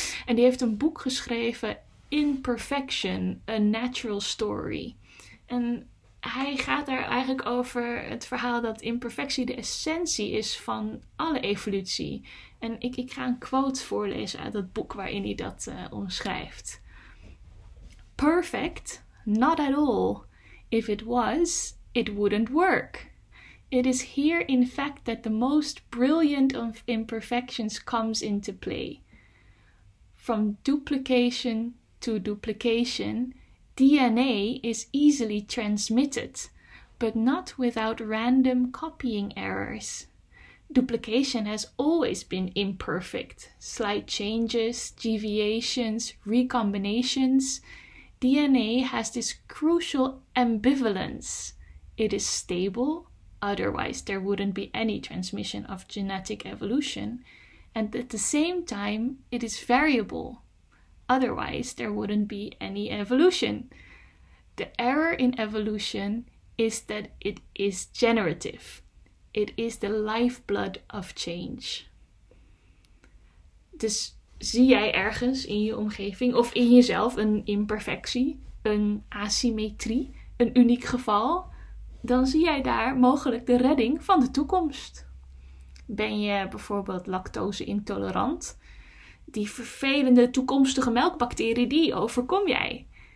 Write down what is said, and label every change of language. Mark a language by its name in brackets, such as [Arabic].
[Dutch] En die heeft een boek geschreven, Imperfection, A Natural Story. En hij gaat daar eigenlijk over het verhaal dat imperfectie de essentie is van alle evolutie. En ik ga een quote voorlezen uit dat boek waarin hij dat omschrijft. [English] Perfect? Not at all. If it was, it wouldn't work. It is here, in fact, that the most brilliant of imperfections comes into play. From duplication to duplication, DNA is easily transmitted, but not without random copying errors. Duplication has always been imperfect. Slight changes, deviations, recombinations. DNA has this crucial ambivalence. It is stable, otherwise there wouldn't be any transmission of genetic evolution. And at the same time, it is variable. Otherwise, there wouldn't be any evolution. The error in evolution is that it is generative. It is the lifeblood of change. [Dutch] Dus zie jij ergens in je omgeving of in jezelf een imperfectie, een asymmetrie, een uniek geval, dan zie jij daar mogelijk de redding van de toekomst. Ben je bijvoorbeeld lactose-intolerant? Die vervelende toekomstige melkbacterie, die overkom jij.